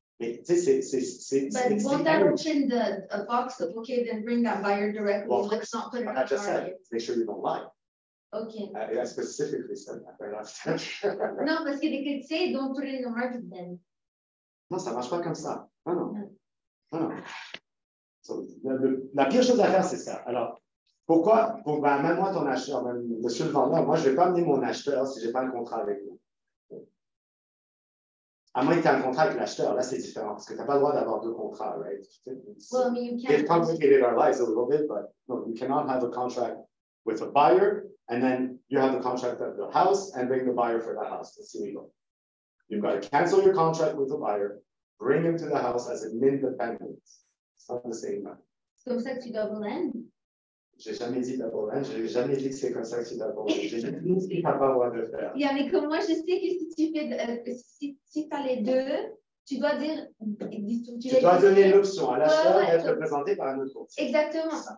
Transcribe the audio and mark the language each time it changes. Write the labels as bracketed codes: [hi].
[en] A box of, okay, then bring that buyer directly. Well, let's not put it on the target. I just said, make sure you don't lie. Okay. I specifically said that right after. No, but they could say, don't put it in the market then. [fr] No, ça marche pas comme ça. No. So, la pire chose à faire, c'est ça. Alors, pourquoi, amène-moi ton acheteur, monsieur le vendeur, moi, je vais pas amener mon acheteur si j'ai pas un contrat avec lui. À moins que tu aies un contrat avec l'acheteur, là c'est différent parce que tu n'as pas le droit d'avoir deux contrats, right? [en] They've complicated our lives a little bit, but no, you cannot have a contract with a buyer and then you have the contract of the house and bring the buyer for the house. It's illegal. You've got to cancel your contract with the buyer, bring him to the house as an independent. It's not the same. [fr] C'est comme ça que tu double end? J'ai jamais dit d'abord, hein? J'ai jamais dit que c'est comme ça que tu d'abord. J'ai jamais dit que t'as pas le droit de faire. Yeah, mais comme moi, je sais que si tu fais, si t'as les deux, tu dois dire. Tu dois donner l'option à l'acheteur d'être représenté par un autre courtier. Exactement.